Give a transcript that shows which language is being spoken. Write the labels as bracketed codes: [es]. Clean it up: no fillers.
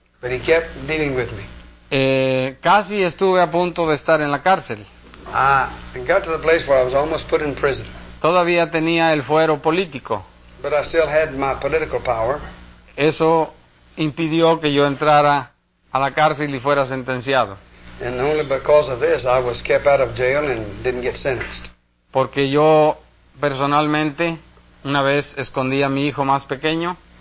[en] But he kept dealing with me. [es] Casi estuve a punto de estar en la cárcel. [en] I got to the place where I was almost put in prison. [es] Todavía tenía el fuero político. [en] But I still had my political power. [es] Eso impidió que yo entrara a la cárcel y fuera sentenciado. [en] And only because of this, I was kept out of jail and didn't get sentenced. [es] Porque yo personalmente, una vez escondí a mi hijo más pequeño.